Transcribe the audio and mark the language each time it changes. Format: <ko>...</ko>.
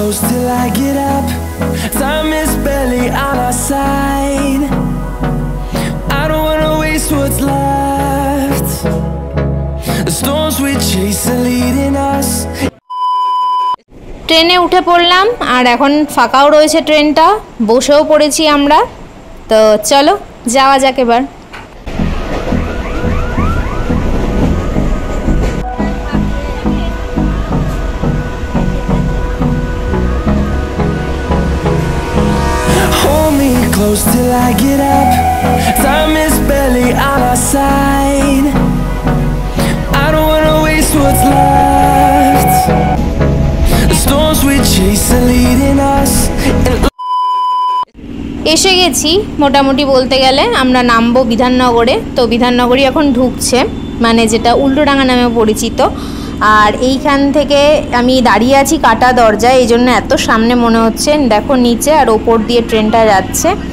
<en>Till I get up, time is barely on our side. I don't wanna waste what's left. The storms we chase are leading us.</en> <bn>ট্রেনে উঠে পড়লাম, আর এখন ফাঁকাও রয়েছে ট্রেনটা, বসেও পড়েছি আমরা। তো চলো যাওয়া যাক এবার।</bn> <en>Close till I get up, time is barely on our side. I don't wanna waste what's left. The storms we chase are leading us.</en> <bn>এসে গেছি মোটামুটি বলতে গেলে, আমরা নামবো বিধাননগরে। তো বিধাননগরই এখন ঢুকছে, মানে যেটা উল্টোডাঙ্গা নামে পরিচিত। আর এইখান থেকে আমি দাঁড়িয়ে আছি কাটা দরজায়, এই জন্য এত সামনে মনে হচ্ছে। দেখো নিচে আর ওপর দিয়ে ট্রেনটা যাচ্ছে।</bn>